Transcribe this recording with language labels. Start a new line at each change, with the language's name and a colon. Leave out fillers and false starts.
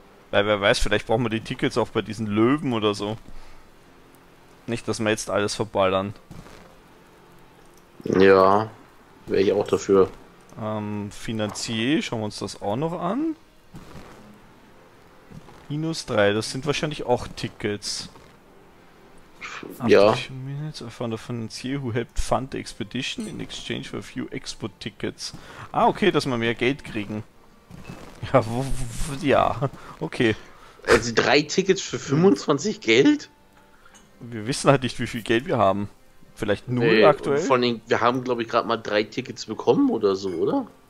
German: Weil wer weiß, vielleicht brauchen wir die Tickets auch bei diesen Löwen oder so. Nicht, dass wir jetzt alles verballern. Ja, wäre ich auch dafür. Finanzier, schauen wir uns das auch noch an. Minus 3, das sind wahrscheinlich auch Tickets. Ja.
English: Minutes, I found a financier who helped fund the expedition in exchange for a few expo tickets.
German: Ah, okay, dass wir mehr Geld kriegen. Ja, ja, okay. Also 3 Tickets für 25 Geld? Wir wissen halt nicht, wie viel Geld wir haben. Vielleicht 0 aktuell? Vor allem, wir haben, glaube ich, gerade mal 3 Tickets bekommen oder so, oder?